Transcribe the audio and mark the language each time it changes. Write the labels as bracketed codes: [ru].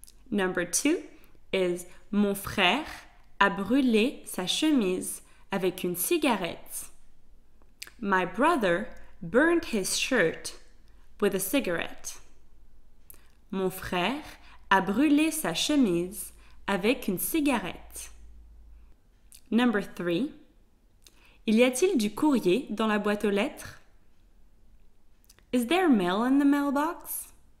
[en] Number two is [fr] mon frère a brûlé sa chemise avec une cigarette. [en] My brother burned his shirt with a cigarette. [fr] Mon frère a brûlé sa chemise avec une cigarette. [en] Number three. [fr] Il y a-t-il du courrier dans la boîte aux lettres? [en] Is there mail in the mailbox?